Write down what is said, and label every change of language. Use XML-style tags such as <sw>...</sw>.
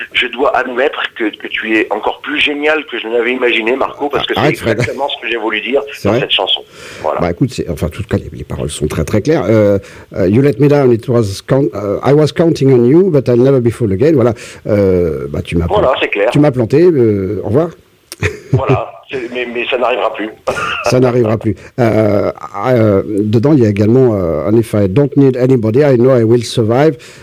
<fr>Je dois admettre que tu es encore plus génial que je ne l'avais imaginé, Marco, parce que c'est exactement Fred. Ce que j'ai voulu dire, c'est dans cette chanson. Voilà. Bah écoute, en tout cas les paroles sont très très claires.</fr> <en>You let me down, I was counting on you, but I'll never be full again.</en> <fr>Voilà. Tu m'as planté. Voilà, c'est clair. Tu m'as planté. Au revoir. Voilà. Mais ça n'arrivera plus. Ça n'arrivera plus. Dedans, il y a également un effet.</fr> <en>Don't need anybody, I know I will survive.</en>